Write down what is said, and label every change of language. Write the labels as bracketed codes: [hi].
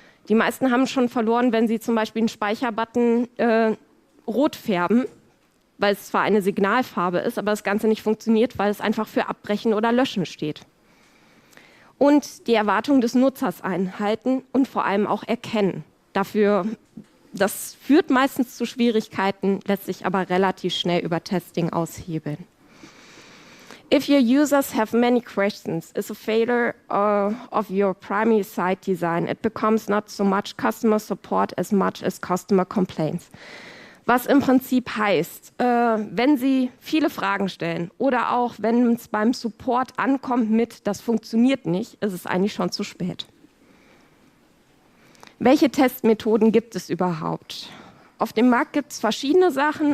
[de] Die meisten haben schon verloren, wenn sie zum Beispiel einen Speicherbutton rot färben, weil es zwar eine Signalfarbe ist, aber das Ganze nicht funktioniert, weil es einfach für Abbrechen oder Löschen steht. Und die Erwartung des Nutzers einhalten und vor allem auch erkennen. Das führt meistens zu Schwierigkeiten, lässt sich aber relativ schnell über Testing aushebeln. [en] If your users have many questions, is a failure of your primary site design, it becomes not so much customer support as much as customer complaints. [de] Was im Prinzip heißt, wenn Sie viele Fragen stellen oder auch wenn es beim Support ankommt mit, das funktioniert nicht, ist es eigentlich schon zu spät. Welche Testmethoden gibt es überhaupt? Auf dem Markt gibt es verschiedene Sachen.